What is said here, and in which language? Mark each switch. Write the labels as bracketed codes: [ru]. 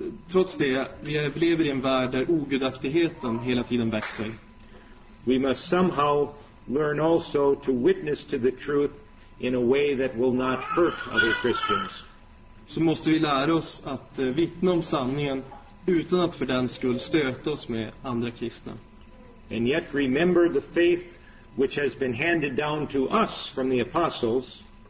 [sv] trots det vi lever i en värld där ogudaktigheten hela tiden växer. [en] We must somehow learn also to witness to the truth in a way that will not hurt other Christians. [sv] Så måste vi lära oss att vittna om sanningen utan att för den skull stöta oss med andra kristna. [en] and yet remember the faith which has been handed down to us from the apostles.